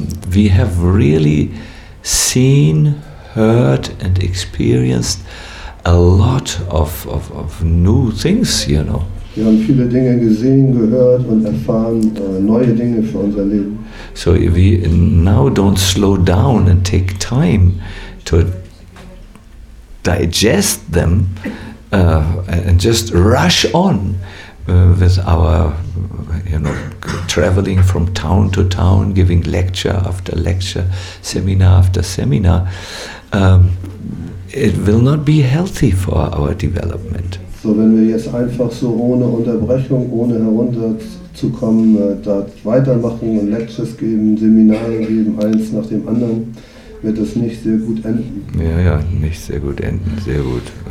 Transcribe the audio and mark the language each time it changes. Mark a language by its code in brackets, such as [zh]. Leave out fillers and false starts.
[en] We have really seen, heard, and experienced a lot of new things, you know. [de] Wir haben viele Dinge gesehen, gehört und erfahren, neue Dinge für unser Leben. [en] So we now don't slow down and take time to digest them and just rush on with our, you know, traveling from town to town, giving lecture after lecture, seminar after seminar, it will not be healthy for our development. [de] So, wenn wir jetzt einfach so ohne Unterbrechung, ohne herunterzukommen, da weitermachen und Lectures geben, Seminare geben, eins nach dem anderen, wird das nicht sehr gut enden. Ja, nicht sehr gut enden, sehr gut.